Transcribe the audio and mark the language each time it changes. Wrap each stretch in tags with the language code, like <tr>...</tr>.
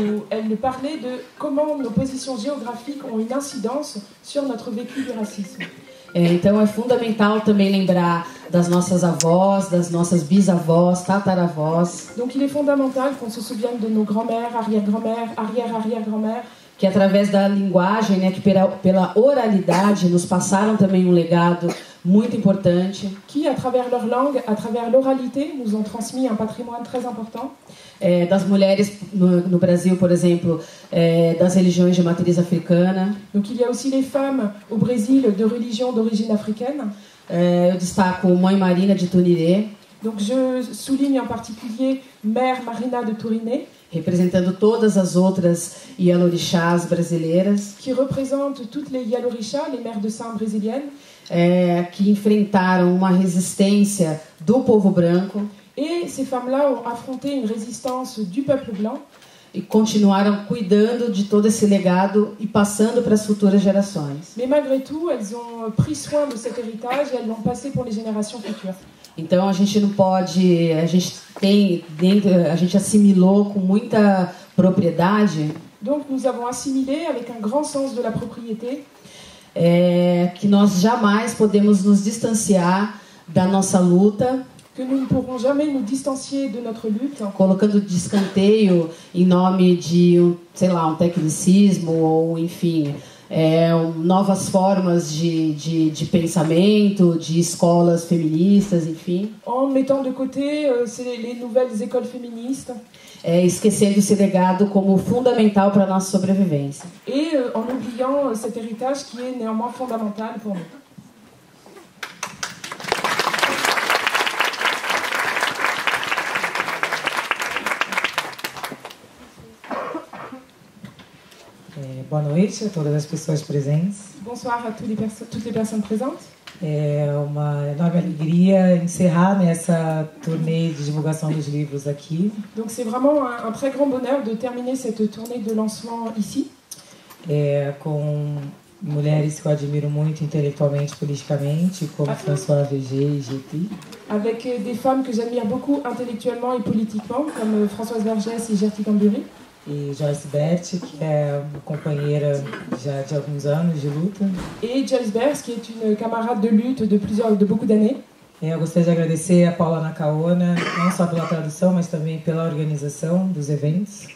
<fr>Elle parlait de comment nos positions géographiques ont une incidence sur notre vécu du racisme.</fr> <pt>Então é fundamental também lembrar das nossas avós, das nossas bisavós, tataravós.</pt> <fr>Donc il est fondamental qu'on se souvienne de nos grand-mères, arrière-grand-mères, arrière-arrière-grand-mères.</fr> <pt>Que através da linguagem, né, que pela oralidade, nos passaram também legado muito importante.</pt> <fr>Qui à travers leur langue, à travers l'oralité, nous ont transmis un patrimoine très important.</fr> <pt>Das mulheres no Brasil, por exemplo, das religiões de matriz africana.</pt> <fr>Donc il y a aussi les femmes au Brésil de religion d'origine africaine.</fr> <pt>Eu destaco Mãe Marina de Tuniré.</pt> <fr>Donc je souligne en particulier Mère Marina de Tuniré.</fr> <pt>representando todas as outras yalorixás brasileiras</pt> <fr>que representam todas as yalorixás, as mères de sang brésiliennes,</fr> <pt>que enfrentaram uma resistência do povo branco e essas</pt> <fr>femmes-là ont affronté une résistance du peuple blanc</fr> <pt>e continuaram cuidando de todo esse legado e passando para as futuras gerações.</pt> <fr>Mais malgré tout, elles ont pris soin de cet héritage et elles l'ont passé pour les générations futures.</fr> <pt>Então a gente não pode, a gente tem dentro, a gente assimilou com muita propriedade.</pt> <fr>Donc nous avons assimilé avec un grand sens de la propriété.</fr> <pt>Que nós jamais podemos nos distanciar da nossa luta.</pt> <fr>Que nous ne pourrons jamais nous distancier de notre lutte.</fr> <pt>Colocando de escanteio em nome de, sei lá, tecnicismo ou enfim. Novas formas de pensamento, de escolas feministas, enfim.</pt> <fr>En mettant de côté les nouvelles écoles féministes.</fr> <pt>Esquecendo esse legado como fundamental para nossa sobrevivência.</pt> <fr>Et en oubliant cet héritage qui est néanmoins fondamental pour nous.</fr> <pt>Boa noite a todas as pessoas presentes.</pt> <fr>Bonsoir à toutes les personnes présentes.</fr> <pt>É uma enorme alegria encerrar nessa turnê de divulgação dos livros aqui.</pt> <fr>Donc c'est vraiment un très grand bonheur de terminer cette tournée de lancement ici.</fr> <pt>Com mulheres que eu admiro muito intelectualmente, politicamente, como François Verger e Jetty.</pt> <fr>Avec des femmes que j'admire beaucoup intellectuellement et politiquement, comme Françoise Vergès et Jetty Cambury.</fr> <pt>E Joyce Bert, que é uma companheira já de alguns anos de luta. E Joyce Bert, que é uma camarada de luta de</pt> <fr>plusieurs, de beaucoup d'années.</fr> <pt>Eu gostaria de agradecer a Paula Nakaona, não só pela tradução, mas também pela organização dos eventos.</pt>